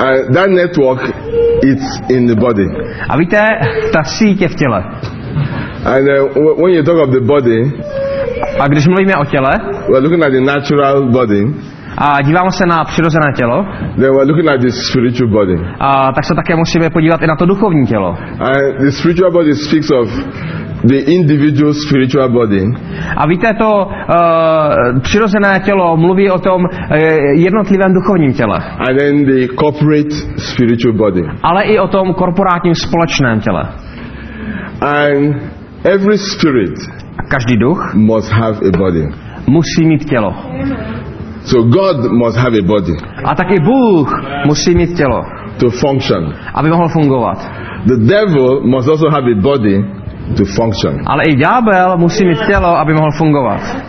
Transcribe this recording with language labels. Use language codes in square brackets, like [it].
[en] That network is in the body. [cs] A víte, ta síť je v těle. [en] And when you talk of the body, [cs] a když mluvíme o těle, [en] we're looking at the natural body. [cs] A díváme se na přirozené tělo. [en] Then we're looking at the spiritual body. [cs] A tak se také musíme podívat i na to duchovní tělo. [en] And the spiritual body speaks of the individual spiritual body. [cs] A víte, to přirozené tělo mluví o tom jednotlivém duchovním těle. [en] And then the corporate spiritual body. [cs] Ale i o tom korporátním společném těle. [en] And every spirit, [cs] každý duch, [en] must have a body. [cs] Musí mít tělo. [en] So God must have a body. [cs] A taky Bůh musí mít tělo. [en] To function. [cs] Aby mohl fungovat. [en] The devil must also have a body to function. [cs] Ale i ďábel musí mít tělo, aby mohl fungovat.